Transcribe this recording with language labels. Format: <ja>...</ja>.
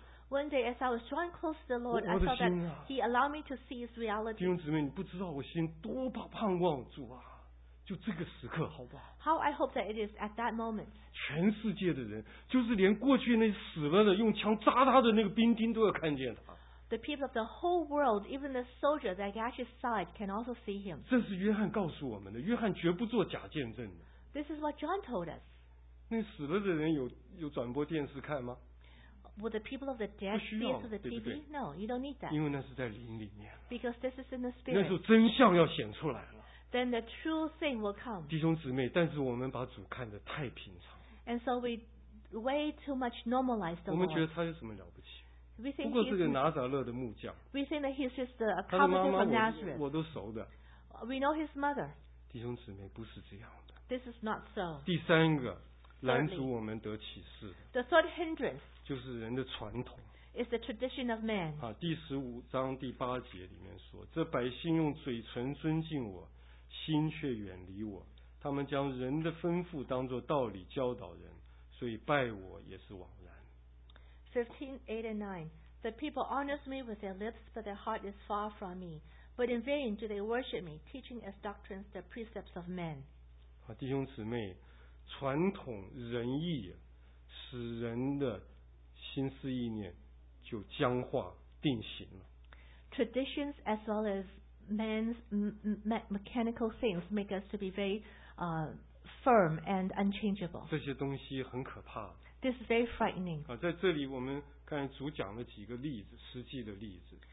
<en>One day, as I was drawing close to the Lord, I saw that He allowed me to see His reality.</en> <zh>弟兄姊妹，你不知道我心多盼望主啊！就这个时刻，好不好</zh> <en>？How I hope that it is at that moment.</en> <zh>全世界的人，就是连过去那死了的、用枪扎他的那个兵丁都要看见他。</zh> <en>The people of the whole world, even the soldiers that at His side, can also see Him.</en> <zh>这是约翰告诉我们的。约翰绝不做假见证的。</zh> <en>This is what John told us.</en> <zh>那死了的人有转播电视看吗？</zh> <en>Would the people of the dead see it through the TV? No, you don't need that.</en> <zh>因为那是在灵里面。</zh> <en>Because this is in the spirit.</en> <zh>那时候真相要显出来了。</zh> <en>Then the true thing will come.</en> <zh>弟兄姊妹，但是我们把主看得太平常。</zh> <en>And so we way too much normalize the Lord.</en> <zh>我们觉得他有什么了不起？</zh> <en>We think</en> <zh>不过是个拿撒勒的木匠。</zh> <en>We think that he's just a carpenter from Nazareth.</en> <zh>我都熟的。</zh> <en>We know his mother.</en> <zh>弟兄姊妹，不是这样的。</zh> <en>This is not so.</en> <zh>第三个拦阻我们得启示。</zh> <en>The third hindrance.</en> <zh>就是人的传统。</zh> <en>It's the tradition of man.</en> <zh>第十五章第八节里面说，这百姓用嘴唇尊敬我，心却远离我。他们将人的吩咐当作道理教导人，所以拜我也是枉然。</zh> <en>15:8-9, the people honors me with their lips, but their heart is far from me. But in vain do they worship me, teaching as doctrines the precepts of men.</en> <zh>弟兄姊妹，传统仁义使人的心思意念就僵化定型了。</zh> <en>Traditions as well as man's mechanical things make us to be very firm and unchangeable.</en> <zh>这些东西很可怕。</zh> <en>This is very frightening.</en> <zh>在这里我们刚才主讲了几个例子，实际的例子。</zh>